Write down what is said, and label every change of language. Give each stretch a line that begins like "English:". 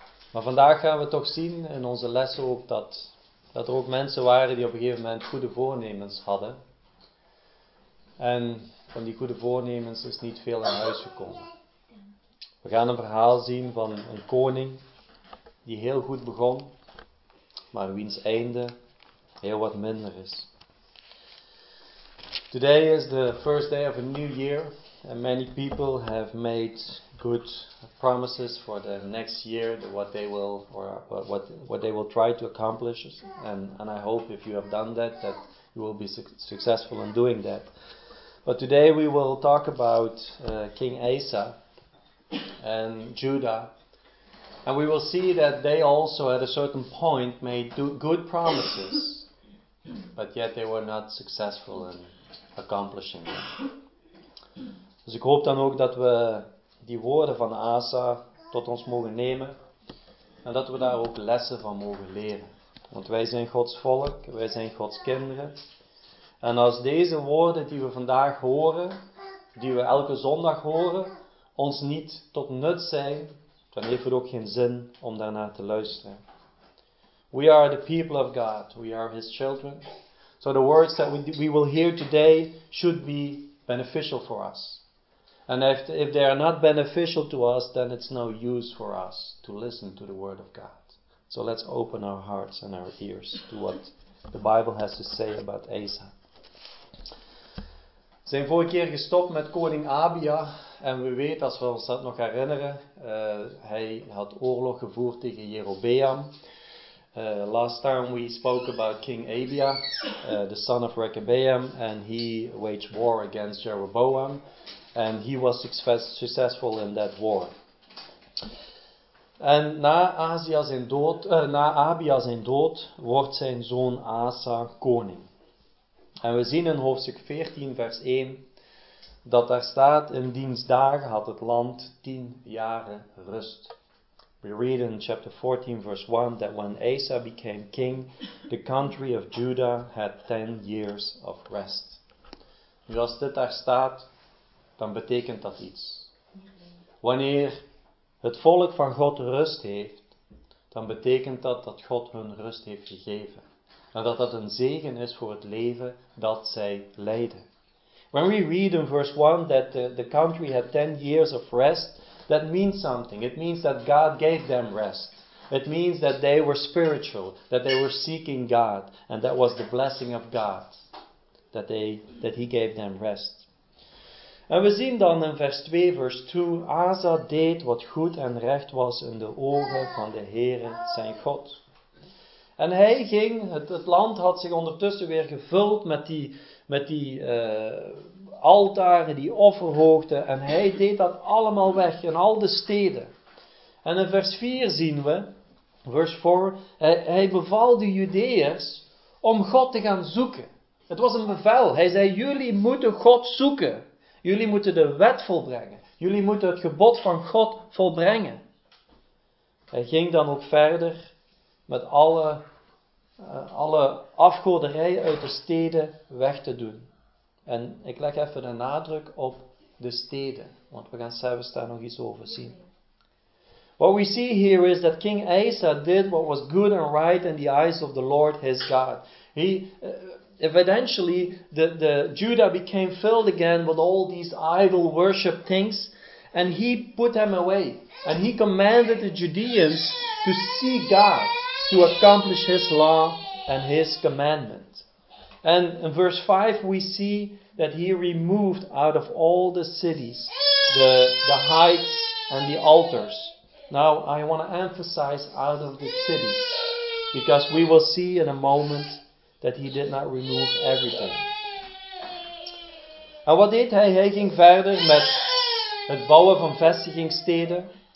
Dutch: Maar vandaag gaan we toch zien in onze lessen ook dat er ook mensen waren die op een gegeven moment goede voornemens hadden. En van die goede voornemens is niet veel in huis gekomen. We gaan een verhaal zien van een koning die heel goed begon, maar wiens einde heel wat minder is.
English: Today is the first day of a new year and many people have made good promises for the next year, what they will try to accomplish, and I hope if you have done that you will be successful in doing that. But today we will talk about King Asa and Judah, and we will see that they also at a certain point made good promises, but yet they were not successful in accomplishing them.
Dutch: Dus ik hoop dan ook dat we die woorden van Asa tot ons mogen nemen en dat we daar ook lessen van mogen leren. Want wij zijn Gods volk, wij zijn Gods kinderen. En als deze woorden die we vandaag horen, die we elke zondag horen, ons niet tot nut zijn, dan heeft het ook geen zin om daarnaar te luisteren.
English: We are the people of God, we are His children. So the words that we will hear today should be beneficial for us. And if they are not beneficial to us, then it's no use for us to listen to the word of God. So let's open our hearts and our ears to what the Bible has to say about Asa.
Dutch: We zijn vorige keer gestopt met koning Abia. En we weten, als we ons dat nog herinneren, hij had oorlog gevoerd tegen Jerobeam.
English: Last time we spoke about King Abia, the son of Rechabeam, and he waged war against Jeroboam. And he was successful in that war.
Dutch: En na Abia zijn dood, wordt zijn zoon Asa koning. En we zien in hoofdstuk 14, vers 1, dat daar staat, in diens dagen had het land 10 jaren rust.
English: We read in chapter 14, verse 1, that when Asa became king, the country of Judah had 10 years of rest.
Dutch: Nu als dit daar staat, dan betekent dat iets. Wanneer het volk van God rust heeft, dan betekent dat dat God hun rust heeft gegeven. En dat dat een zegen is voor het leven dat zij leiden.
English: When we read in verse 1 that the country had 10 years of rest, that means something. It means that God gave them rest. It means that they were spiritual, that they were seeking God. And that was the blessing of God, that he gave them rest.
Dutch: En we zien dan in vers 2, vers 2, Asa deed wat goed en recht was in de ogen van de Heere zijn God. En hij ging, het land had zich ondertussen weer gevuld met die altaren, die offerhoogten, en hij deed dat allemaal weg in al de steden. En in vers 4 zien we, vers 4, hij beval de Judeërs om God te gaan zoeken. Het was een bevel, hij zei, jullie moeten God zoeken. Jullie moeten de wet volbrengen. Jullie moeten het gebod van God volbrengen. Hij ging dan ook verder met alle afgoderij uit de steden weg te doen. En ik leg even de nadruk op de steden. Want we gaan zelfs daar nog iets over zien.
English: What we see here is that King Asa did what was good and right in the eyes of the Lord his God. Eventually, the Judah became filled again with all these idol worship things, and he put them away. And he commanded the Judeans to seek God, to accomplish his law and his commandment. And in verse 5, we see that he removed out of all the cities the heights and the altars. Now, I want to emphasize out of the cities, because we will see in a moment that he did not remove everything.
Dutch: En wat deed hij? Hij ging verder met het bouwen van vestigingssteden.